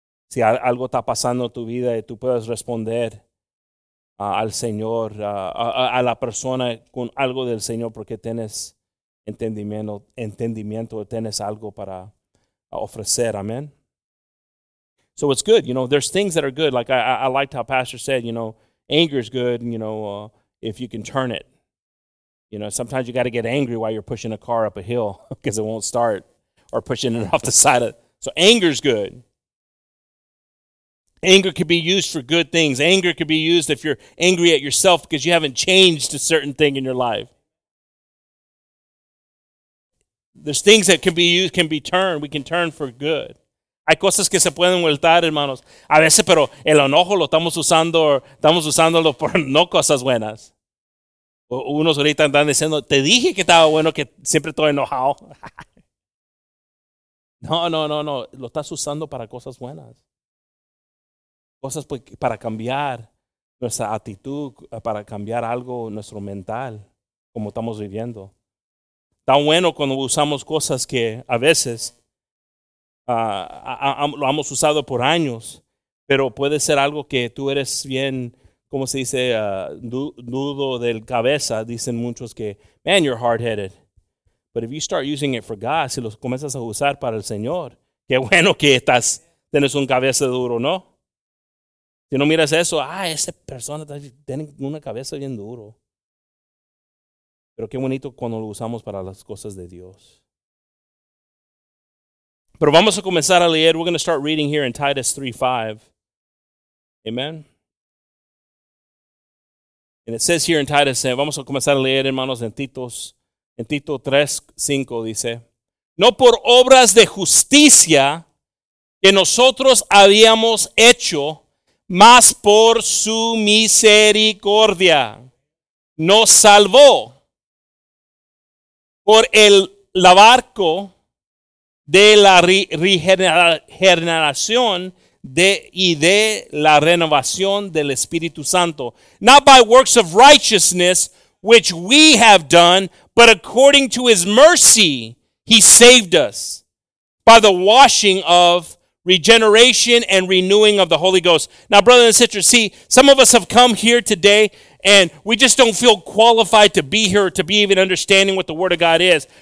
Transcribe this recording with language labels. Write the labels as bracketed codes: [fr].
[es] Si algo está pasando en tu vida y tú puedes responder al Señor, a la persona con algo del Señor porque tienes entendimiento, tienes algo para ofrecer. [en] Amen. So it's good. You know, there's things that are good. Like I liked how Pastor said, you know, anger is good, you know, if you can turn it. You know, sometimes you got to get angry while you're pushing a car up a hill because it won't start or pushing it off the side. So anger is good. Anger could be used for good things. Anger could be used if you're angry at yourself because you haven't changed a certain thing in your life. There's things that can be used, can be turned. We can turn for good. [es] Hay cosas que se pueden voltar, hermanos. A veces, pero el enojo lo estamos usando, estamos usándolo por no cosas buenas. Unos ahorita están diciendo, te dije que estaba bueno, que siempre estoy enojado. No. Lo estás usando para cosas buenas. Cosas para cambiar nuestra actitud, para cambiar algo, nuestro mental, como estamos viviendo. Está bueno cuando usamos cosas que a veces lo hemos usado por años, pero puede ser algo que tú eres bien, ¿cómo se dice? Dudo del cabeza, dicen muchos que, [en] man, you're hard-headed. But if you start using it for God, [es] si los comienzas a usar para el Señor, qué bueno que estás, tienes un cabeza duro, ¿no? Si no miras eso, esa persona tiene una cabeza bien duro. Pero qué bonito cuando lo usamos para las cosas de Dios. Pero vamos a comenzar a leer. [en] We're going to start reading here in Titus 3:5. Amen. And it says here in Titus, [es] vamos a comenzar a leer, hermanos, en Tito 3:5 dice, no por obras de justicia que nosotros habíamos hecho, mas por su misericordia nos salvó. Por el lavarco de la regeneración de la renovación del Espíritu Santo. [en] Not by works of righteousness, which we have done, but according to his mercy, he saved us. By the washing of regeneration and renewing of the Holy Ghost. Now, brothers and sisters, see, some of us have come here today and we just don't feel qualified to be here, to be even understanding what the Word of God is.